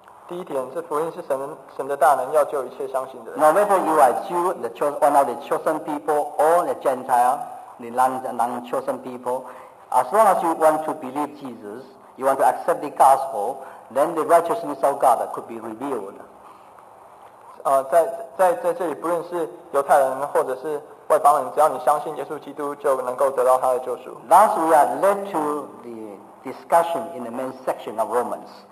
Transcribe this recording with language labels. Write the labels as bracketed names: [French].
[Chinese] 第一点，这福音是神的大能，要救一切相信的人。 [English] No matter you are Jew, the one of the chosen people, or the Gentile, the non-chosen people, as long as you want to believe Jesus, you want to accept the gospel, then the righteousness of God could be revealed. [Chinese] 在这里，不论是犹太人或者是外邦人，只要你相信耶稣基督，就能够得到他的救赎。 [English] Thus we are led to the discussion in the main section of Romans.